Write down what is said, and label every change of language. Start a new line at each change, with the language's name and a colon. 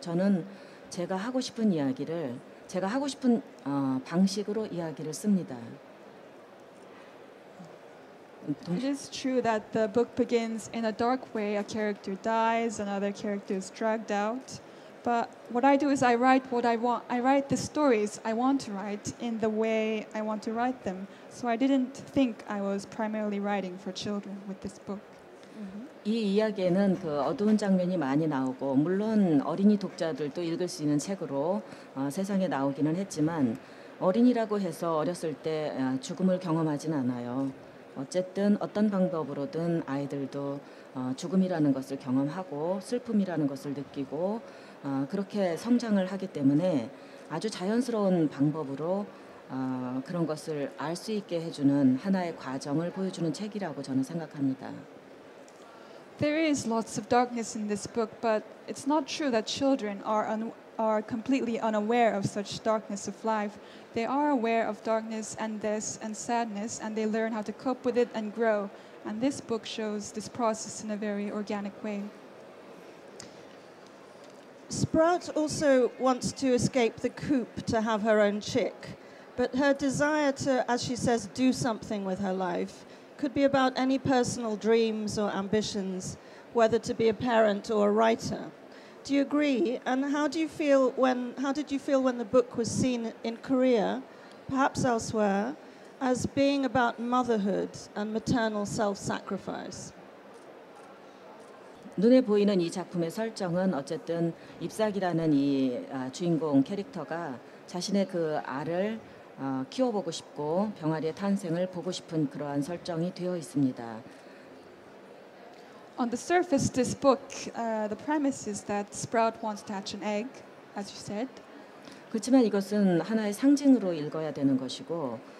Korean: 저는 제가 하고 싶은 이야기를 제가 하고 싶은 방식으로 이야기를 씁니다.
English: It is true that the book begins in a dark way. A character dies, another character is dragged out. But what I do is I write what I want. I write the stories I want to write in the way I want to write them. So I didn't think I was primarily writing for children with this book.
Korean: 이 이야기에는 그 어두운 장면이 많이 나오고 물론 어린이 독자들도 읽을 수 있는 책으로 세상에 나오기는 했지만 어린이라고 해서 어렸을 때 죽음을 경험하진 않아요. 어쨌든 어떤 방법으로든 아이들도 죽음이라는 것을 경험하고 슬픔이라는 것을 느끼고 그렇게 성장을 하기 때문에 아주 자연스러운 방법으로 그런 것을 알 수 있게 해주는 하나의 과정을 보여주는 책이라고 저는 생각합니다.
English: There is lots of darkness in this book, but it's not true that children are completely unaware of such darkness of life. They are aware of darkness and this and sadness, and they learn how to cope with it and grow. And this book shows this process in a very organic way. Sprout also wants to escape the coop to have her own chick, but her desire to, as she says, do something with her life could be about any personal dreams or ambitions, whether to be a parent or a writer. Do you agree? And how did you feel when the book was seen in Korea, perhaps elsewhere, as being about motherhood and maternal self-sacrifice?
Korean: 눈에 보이는 이 작품의 설정은 어쨌든 잎사귀라는 이 주인공 캐릭터가 자신의 그 알을 키워보고 싶고 병아리의 탄생을 보고 싶은 그러한 설정이 되어 있습니다.
English: On the surface, this book, the premise is that Sprout wants to hatch an egg, as you said.
Korean: 그렇지만 이것은 하나의 상징으로 읽어야 되는 것이고,